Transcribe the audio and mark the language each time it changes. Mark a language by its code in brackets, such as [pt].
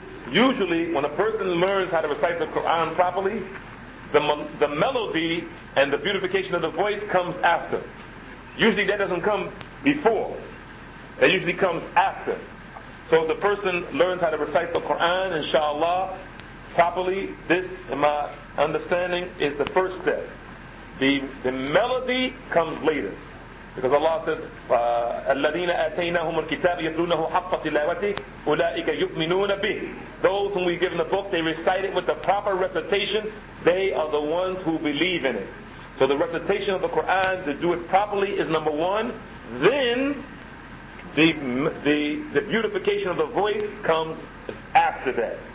[en] Usually, when a person learns how to recite the Quran properly, the melody and the beautification of the voice comes after. Usually that doesn't come before. That usually comes after. So if the person learns how to recite the Quran, inshallah, properly, this, in my understanding, is the first step. The melody comes later. Because Allah says, [ar] الَّذِينَ آتَيْنَاهُمُ الْكِتَابِ يَتْلُونَهُ حَقَّ تِلَاوَتِهِ أُولَٰئِكَ يُؤْمِنُونَ بِهِ. [en] Those whom we've given the book, they recite it with the proper recitation. They are the ones who believe in it. So the recitation of the Quran, to do it properly, is number one. Then, the beautification of the voice comes after that.